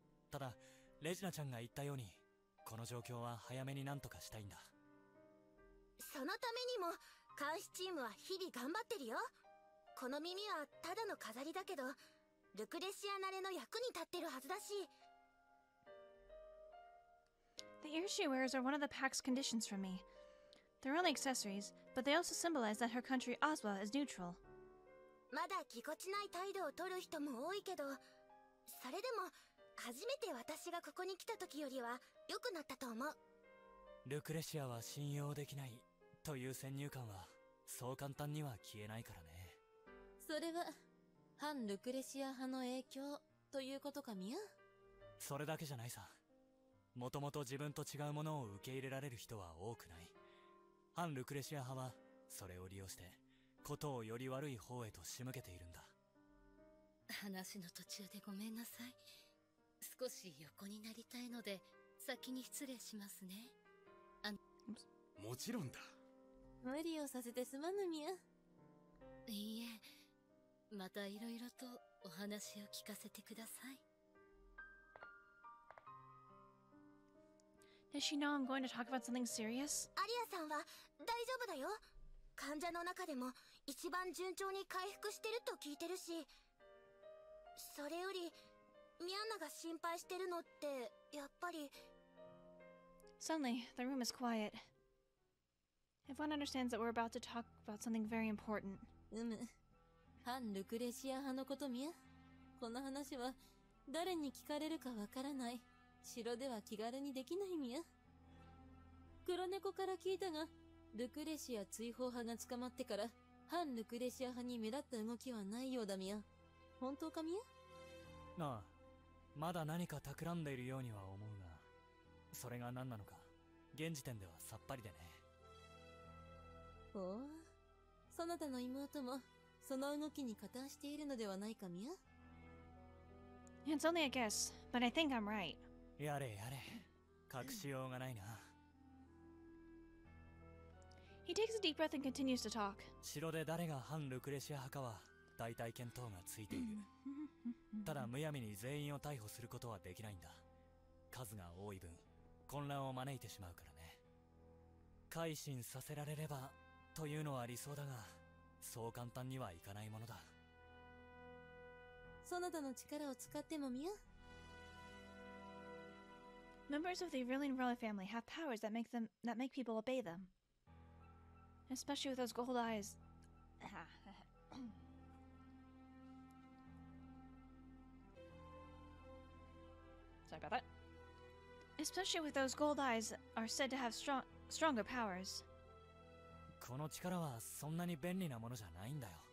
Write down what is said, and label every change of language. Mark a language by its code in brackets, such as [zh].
[ja] ただレジナちゃんが言ったように、この状況は早めに何とかしたいんだ。そのためにも監視チームは日々頑張ってるよ。この耳はただの飾りだけど、ルクレシアなれの役に立ってるはずだし。 [en] The ears she wears are one of the pack's conditions for me. They're only accessories, but they also symbolize that her country, Ozwa, is neutral. [ja] まだぎこちない態度を取る人も多いけど、それでも初めて私がここに来た時よりは良くなったと思う。ルクレシアは信用できないという先入観はそう簡単には消えないからね。それは反ルクレシア派の影響ということかみゃ。それだけじゃないさ。もともと自分と違うものを受け入れられる人は多くない。反ルクレシア派はそれを利用してことをより悪い方へと仕向けているんだ。話の途中でごめんなさい。少し横になりたいので先に失礼しますね。もちろんだ。無理をさせてすまぬみゃ。いいえ、またいろいろとお話を聞かせてください。 [en] Does she know I'm going to talk about something serious? [ja] Aria-san は大丈夫だよ。患者の中でも一番順調に回復してると聞いてるし。それよりミアンナが心配してるのってやっぱり。 [en] Suddenly, the room is quiet. Everyone understands that we're about to talk about something very important. [ja] うむ、反ルクレシア派のことミア。この話は誰に聞かれるかわからない。城では気軽にできないみゃ。黒猫から聞いたが、ルクレシア追放派が捕まってから反ルクレシア派に目立った動きはないようだみゃ。本当かみゃ。ああ、まだ何か企んでいるようには思うが、それが何なのか現時点ではさっぱりでね。ほう、そなたの妹もその動きに加担しているのではないかみゃ。 [en] It's only a guess, but I think I'm right. [ja] やれやれ、隠しようがないな。 [en] He takes a deep breath and continues to talk. [ja] 城で誰が反ルクレシア派かは大体見当がついている。ただむやみに全員を逮捕することはできないんだ。数が多い分、混乱を招いてしまうからね。改心させられればというのは理想だが、そう簡単にはいかないものだ。そなたの力を使ってもみよ。 [en] Members of the Aurelian royal family have powers that make them that make people obey them. Especially with those gold eyes. Sorry about that. Especially with those gold eyes are said to have stronger powers. [ja] この力はそんなに便利なものじゃないんだよ。